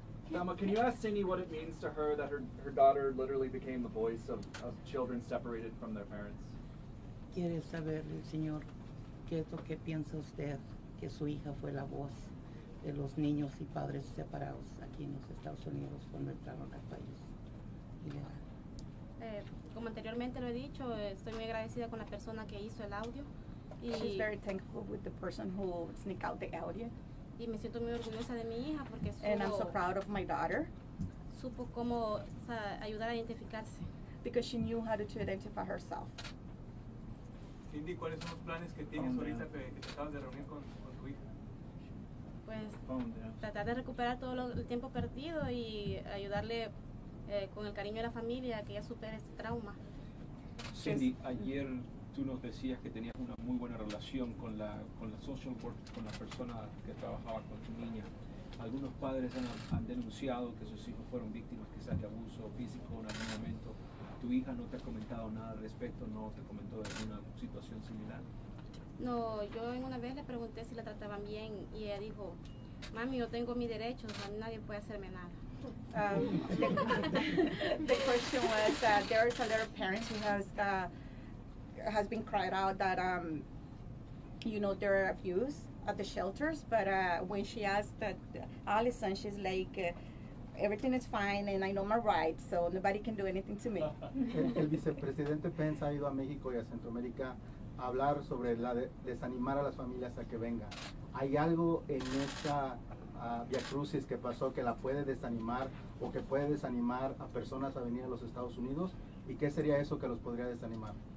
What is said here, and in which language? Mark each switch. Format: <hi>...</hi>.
<en>Mama, can you ask Cindy what it means to her that her daughter literally became the voice of children separated from their parents?</en> <es>Quiere saber, señor, qué es lo que piensa usted que su hija fue la voz de los niños y padres separados aquí en los Estados Unidos cuando entraron al país. Como anteriormente lo he dicho, estoy muy agradecida con la persona que hizo el audio. Y</es> <en>she's very thankful with the person who sneaked out the audio.</en> <es>Y me siento muy orgullosa de mi hija porque</es> <en>and I'm so proud of my daughter.</en> <es>Supo cómo ayudar a identificarse.</es> <en>Because she knew how to identify herself.</en> <es>Cindy, ¿cuáles son los planes que tienes ahorita que te acabas de reunir con tu hija? Pues tratar de recuperar todo el tiempo perdido y ayudarle con el cariño de la familia a que ella supere este trauma. Cindy, ayer tú nos decías que tenías una muy buena relación con la social worker, con la persona que trabajaba con tu niña. Algunos padres han denunciado que sus hijos fueron víctimas quizás de abuso físico en algún momento. ¿Tu hija no te ha comentado nada al respecto? ¿No te comentó de alguna situación similar? No, yo en una vez le pregunté si la trataban bien y ella dijo, mami, yo tengo mi derecho, o sea, nadie puede hacerme nada.</es> <en>The question was that there is a lot of parents who has been cried out that, you know, there are abuse at the shelters, but when she asked that Allison, she's like, everything is fine and I know my rights, so nobody can do anything to me.</en> <es>El vicepresidente Pence ha ido a México y a Centroamérica a hablar sobre la desanimar a las familias a que vengan. ¿Hay algo en esa via crucis que pasó que la puede desanimar o que puede desanimar a personas a venir a los Estados Unidos? ¿Y qué sería eso que los podría desanimar?</es>